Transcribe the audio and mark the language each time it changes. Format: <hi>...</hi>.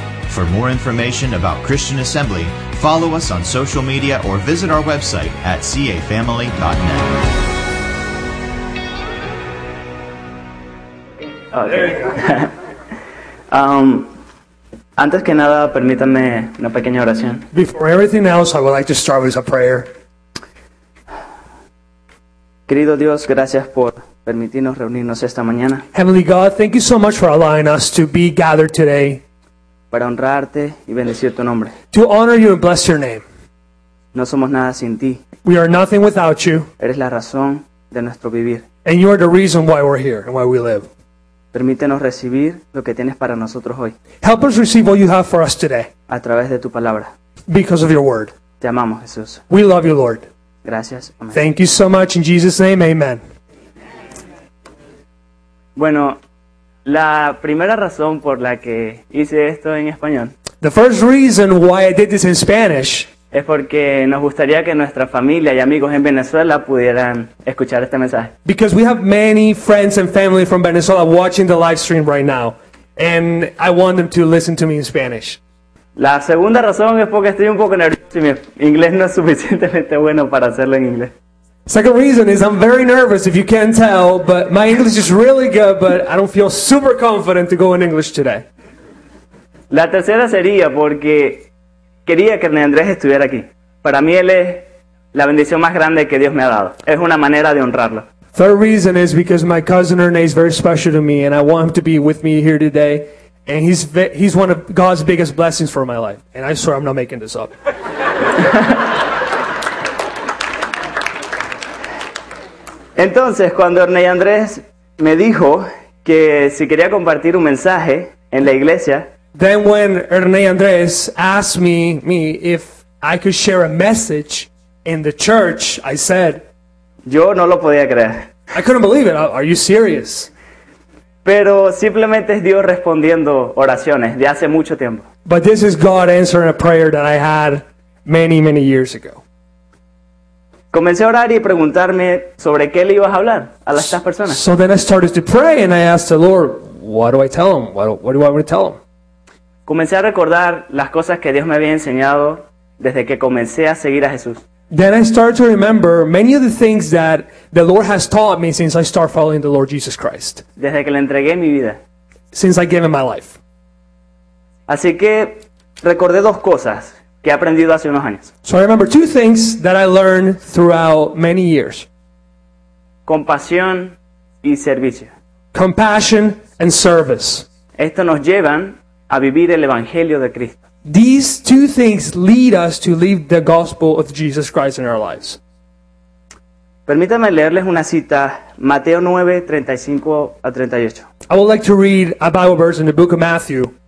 <en>For more information about Christian Assembly, follow us on social media or visit our website at cafamily.net.</en> <es>Antes que nada, permítame una pequeña oración.</es> <en>Before everything else, I would like to start with a prayer.</en> <es>Querido Dios, gracias por permitirnos reunirnos esta mañana.</es> <en>Heavenly God, thank you so much for allowing us to be gathered today.</en> <es>Para honrarte y bendecir tu nombre.</es> <en>To honor you and bless your name.</en> <es>No somos nada sin ti.</es> <en>We are nothing without you.</en> <es>Eres la razón de nuestro vivir.</es> <en>And you are the reason why we're here and why we live.</en> <es>Permítenos recibir lo que tienes para nosotros hoy.</es> <en>Help us receive what you have for us today.</en> <es>A través de tu palabra.</es> <en>Because of your word.</en> <es>Te amamos, Jesús.</es> <en>We love you, Lord.</en> <es>Gracias.</es> <en>Amen. Thank you so much. In Jesus' name, amen.</en> <es>Bueno, la primera razón por la que hice esto en español.</es> <en>The first reason why I did this in Spanish.</en> <es>Es porque nos gustaría que nuestra familia y amigos en Venezuela pudieran escuchar este mensaje.</es> <en>Because we have many friends and family from Venezuela watching the live stream right now. And I want them to listen to me in Spanish.</en> <es>La segunda razón es porque estoy un poco nervioso y mi inglés no es suficientemente bueno para hacerlo en inglés.</es> <en>Second reason is I'm very nervous, if you can't tell, but my English is really good, but I don't feel super confident to go in English today.</en> <es>La tercera sería porque quería que Andrés estuviera aquí. Para mí él es la bendición más grande que Dios me ha dado. Es una manera de honrarlo.</es> <en>Third reason is because my cousin Ernie is very special to me and I want him to be with me here today. And he's one of God's biggest blessings for my life. And I swear I'm not making this up.</en> <es>Entonces, cuando Ernie y Andrés me dijo que si quería compartir un mensaje en la iglesia.</es> <en>Then when Ernie y Andrés asked me if I could share a message in the church, I said,</en> <es>yo no lo podía creer.</es> <en>I couldn't believe it. Are you serious?</en> <es>Pero simplemente es Dios respondiendo oraciones de hace mucho tiempo.</es> <en>But this is God answering a prayer that I had many, many years ago.</en> <es>Comencé a orar y preguntarme sobre qué le ibas a hablar a estas personas.</es> <en>So then I started to pray and I asked the Lord, what do I tell them? What do I want to tell them?</en> <es>Comencé a recordar las cosas que Dios me había enseñado desde que comencé a seguir a Jesús.</es> <en>Then I started to remember many of the things that the Lord has taught me since I started following the Lord Jesus Christ.</en> <es>Desde que le entregué mi vida.</es> <en>Since I gave him my life.</en> <es>Así que recordé dos cosas que he aprendido hace unos años.</es> <en>So I remember two things that I learned throughout many years.</en> <es>Compasión y servicio.</es> <en>Compassion and service.</en> <es>Esto nos llevan a vivir el evangelio de Cristo.</es> <en>These two things lead us to live the gospel of Jesus Christ in our lives.</en> <es>Permítame leerles una cita, Mateo 9:35-38.</es> <en>I would like to read a Bible verse in the book of Matthew.</en>